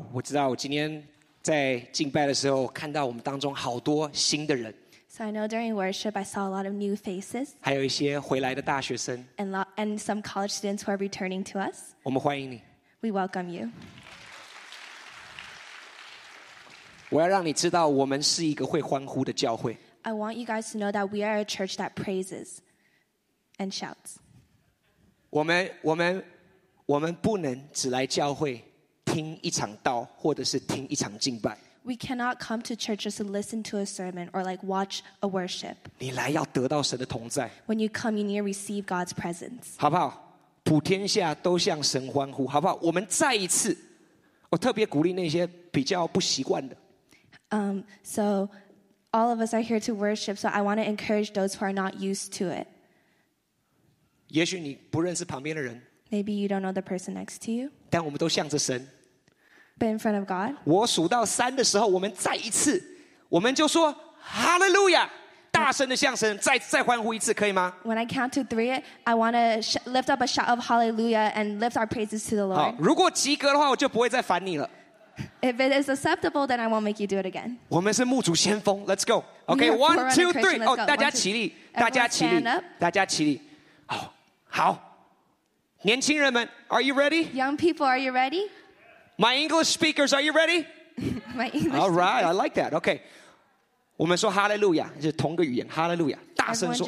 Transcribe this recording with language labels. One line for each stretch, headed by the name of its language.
Chinese: 我知道我今天在敬拜的时候看到我们当中好多新的人。
English: So I know during worship I saw a lot of new faces.
Chinese: 还有一些回来的大学生。
English: And some college students who are returning to us.
Chinese: 我们欢迎你。
English: We welcome you.
Chinese: 我要让你知道我们是一个会欢呼的教会。
English: I want you guys to know that we are a church that praises and shouts.
Chinese: 我们不能只来教会听一场道或者是听一场敬拜。
English: We cannot come to church just to listen to a sermon or like watch a worship.
Chinese: 你来要得到神的同在。
English: When you come, you need to receive God's presence.
Chinese: 好不好？普天下都向神欢呼，好不好？我们再一次，我特别鼓励那些比较不习惯的。
English: So all of us are here to worship. So I want to encourage those who are not used to it.
Chinese: 也许你不认识旁边的人。
English: Maybe you don't know the person next to you.
Chinese: 但我们都向着神。
English: But in front of God.
Chinese: 我数到三的时候，我们再一次，我们就说 Hallelujah， 大声的向神再欢呼一次，可以吗
English: ？When I count to three, I want to lift up a shout of Hallelujah and lift our praises to the Lord.
Chinese: 好，如果及格的话，我就不会再烦你了。
English: If it is acceptable, then I won't make you do it again.
Chinese: 我们是牧主先锋 ，
English: Let's go. Okay, one, two, three.
Chinese: 哦，大家起立，大家起立，大家起立。好，好。年轻人们
English: ，Are you ready? Young people, are you ready? My English speakers, are you ready? My English. All right, I like that.
Chinese: Okay, 我们说 Hallelujah 是同个语言 Hallelujah， 大声说